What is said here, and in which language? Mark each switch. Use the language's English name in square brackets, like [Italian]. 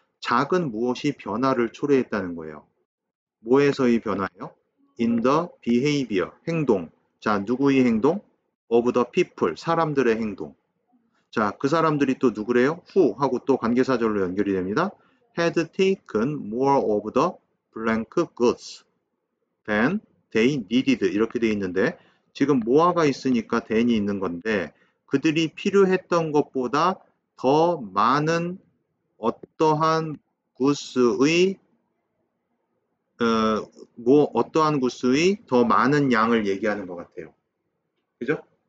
[Korean] 작은 무엇이 변화를 초래했다는 거예요. 뭐에서의 변화예요? [English] In the behavior, [Korean] 행동. 자, 누구의 행동? [English] Of the people, [Korean] 사람들의 행동. 자, 그 사람들이 또 누구래요? Who 하고 또 관계사절로 연결이 됩니다. [English] Had taken more of the blank goods than they needed. [Korean] 이렇게 돼 있는데, 지금 모아가 있으니까 댄이 있는 건데, 그들이 필요했던 것보다 더 많은 어떠한 구스의 뭐 어떠한 구스의 더 많은 양을 얘기하는 것 같아요. 그죠?